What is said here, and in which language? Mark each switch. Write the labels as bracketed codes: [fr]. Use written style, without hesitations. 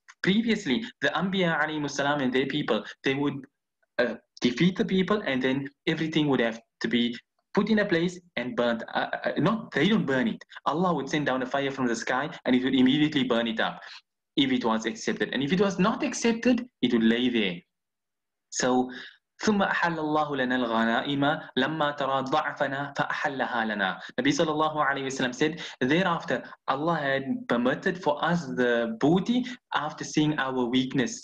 [en] Previously, the Anbiya alayhi salam and their people, they would defeat the people and then everything would have to be put in a place and burnt. Not, they don't burn it. Allah would send down a fire from the sky and it would immediately burn it up if it was accepted. And if it was not accepted, it would lay there. [ar] So, ثم أحل الله لنا الغنائم لما ترى ضعفنا فأحلها لنا. [en] Nabi sallallahu alayhi wa sallam said, thereafter Allah had permitted for us the booty after seeing our weakness.